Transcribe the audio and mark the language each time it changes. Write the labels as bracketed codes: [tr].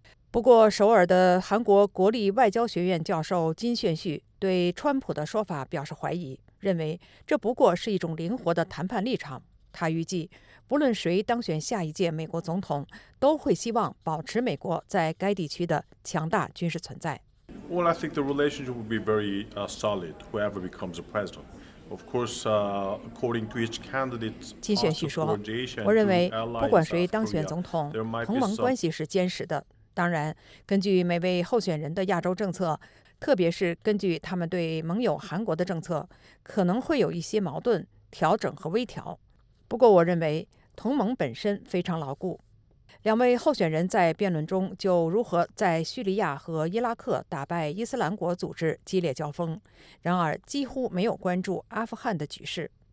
[zh] 不过，首尔的韩国国立外交学院教授金炫旭对川普的说法表示怀疑，认为这不过是一种灵活的谈判立场。他预计，不论谁当选下一届美国总统，都会希望保持美国在该地区的强大军事存在。 [en] Well, I think the relationship will be very solid whoever becomes the president. Of course, according to each candidate, [zh] 金炫旭说，我认为不管谁当选总统，同盟关系是坚实的。当然，根据每位候选人的亚洲政策，特别是根据他们对盟友韩国的政策，可能会有一些矛盾、调整和微调。不过，我认为同盟本身非常牢固。两位候选人在辩论中就如何在叙利亚和伊拉克打败伊斯兰国组织激烈交锋，然而几乎没有关注阿富汗的局势。